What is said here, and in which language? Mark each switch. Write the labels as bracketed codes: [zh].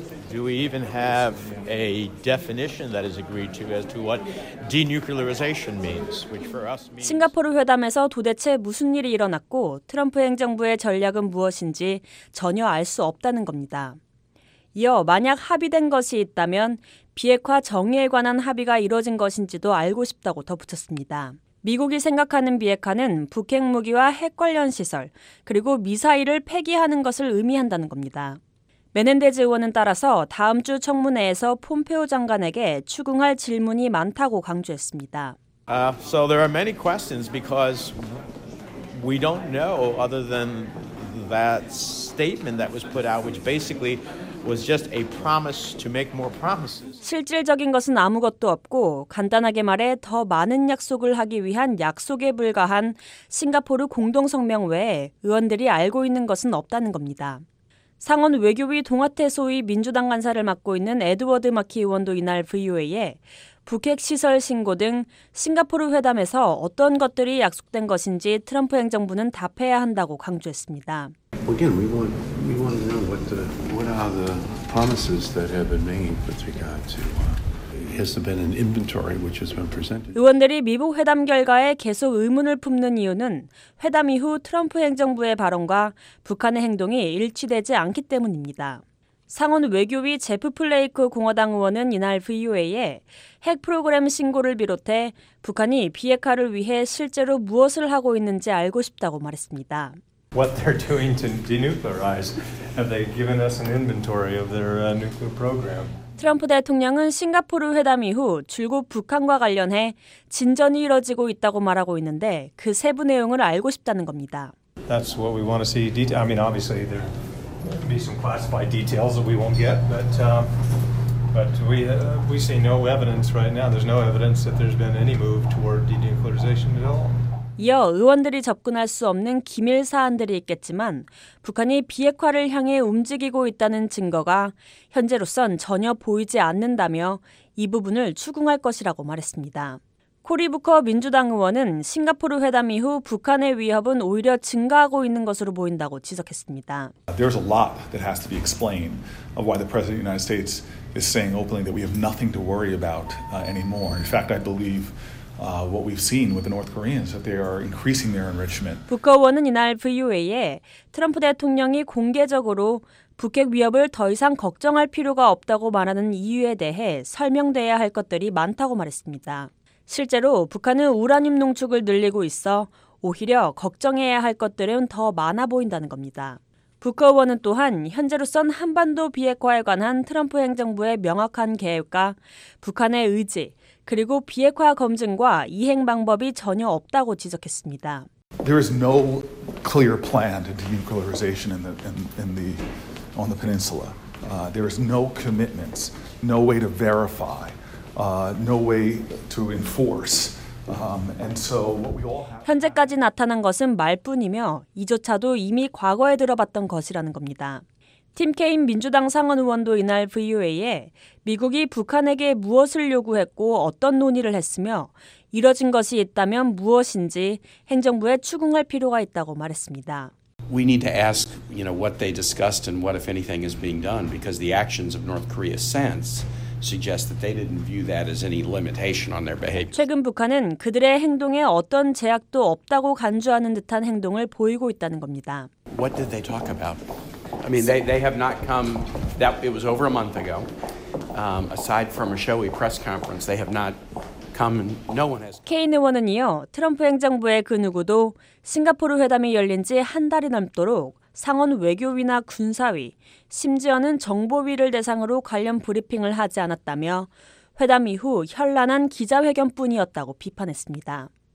[en] Do we even have a definition that is agreed to as to what denuclearization means, which for us means? [ko] 싱가포르 회담에서 도대체 무슨 일이 일어났고 트럼프 행정부의 전략은 무엇인지 전혀 알 수 없다는 겁니다. 이어 만약 합의된 것이 있다면 비핵화 정의에 관한 합의가 이루어진 것인지도 알고 싶다고 덧붙였습니다. 미국이 생각하는 비핵화는 북핵 무기와 핵 관련 시설 그리고 미사일을 폐기하는 것을 의미한다는 겁니다. 메넨데즈 의원은 따라서 다음 주 청문회에서 폼페오 장관에게 추궁할 질문이 많다고 강조했습니다. [en] So there are many questions because we don't know other than that statement that was put out, which basically was just a promise to make more promises. [ko] 실질적인 것은 아무것도 없고 간단하게 말해 더 많은 약속을 하기 위한 약속에 불과한 싱가포르 공동성명 외에 의원들이 알고 있는 것은 없다는 겁니다. 상원 외교위 동아태 소위 민주당 간사를 맡고 있는 에드워드 마키 의원도 이날 VOA에 북핵 시설 신고 등 싱가포르 회담에서 어떤 것들이 약속된 것인지 트럼프 행정부는 답해야 한다고 강조했습니다. [en] Again, we want to know what are the promises that have been made with regard to. Has there been an inventory which has been presented? [ko] 의원들이 미북 회담 결과에 계속 의문을 품는 이유는 회담 이후 트럼프 행정부의 발언과 북한의 행동이 일치되지 않기 때문입니다. 상원 외교위 제프 플레이크 공화당 의원은 이날 VOA에 핵 프로그램 신고를 비롯해 북한이 비핵화를 위해 실제로 무엇을 하고 있는지 알고 싶다고 말했습니다. [en] What they're doing to denuclearize? Have they given us an inventory of their nuclear program? [ko] 트럼프 대통령은 싱가포르 회담 이후 줄곧 북한과 관련해 진전이 이뤄지고 있다고 말하고 있는데 그 세부 내용을 알고 싶다는 겁니다. [en] That's what we want to see. I mean, obviously there be some classified details that we won't get, but we see no evidence right now. There's no evidence that there's been any move toward denuclearization at all. [ko] 이어 의원들이 접근할 수 없는 기밀 사안들이 있겠지만 북한이 비핵화를 향해 움직이고 있다는 증거가 현재로선 전혀 보이지 않는다며 이 부분을 추궁할 것이라고 말했습니다. 코리 부커 민주당 의원은 싱가포르 회담 이후 북한의 위협은 오히려 증가하고 있는 것으로 보인다고 지적했습니다. [en] There's a lot that has to be explained of why the President of the United States is saying openly that we have nothing to worry about anymore. In fact, I believe what we've seen with the North Koreans that they are increasing their enrichment. [ko] 부커 의원은 이날 VOA에 트럼프 대통령이 공개적으로 북핵 위협을 더 이상 걱정할 필요가 없다고 말하는 이유에 대해 설명돼야 할 것들이 많다고 말했습니다. 실제로 북한은 우라늄 농축을 늘리고 있어 오히려 걱정해야 할 것들은 더 많아 보인다는 겁니다. 부커 의원은 또한 현재로선 한반도 비핵화에 관한 트럼프 행정부의 명확한 계획과 북한의 의지 그리고 비핵화 검증과 이행 방법이 전혀 없다고 지적했습니다. [en] There is no clear plan to denuclearization on the peninsula. There is no commitments, no way to verify, no way to enforce. And so what we all have [ko] 현재까지 나타난 것은 말뿐이며 이조차도 이미 과거에 들어봤던 것이라는 겁니다. 팀 케인 민주당 상원 의원도 이날 VOA에 미국이 북한에게 무엇을 요구했고 어떤 논의를 했으며 이뤄진 것이 있다면 무엇인지 행정부에 추궁할 필요가 있다고 말했습니다. [en] We need to ask, you know, what they discussed and what if anything is being done because the actions of North Korea since suggest that they didn't view that as any limitation on their behavior. [ko] 최근 북한은 그들의 행동에 어떤 제약도 없다고 간주하는 듯한 행동을 보이고 있다는 겁니다. [en] What did they talk about? I mean, they have not come. That it was over a month ago. Aside from a showy press conference, they have not come. No one has. [ko] 케인 의원은 이어 트럼프 행정부의 그 누구도 싱가포르 회담이 열린 지 한 달이 넘도록 상원 외교위나 군사위, 심지어는 정보위를 대상으로 관련 브리핑을 하지 않았다며 회담 이후 현란한 기자회견뿐이었다고 비판했습니다.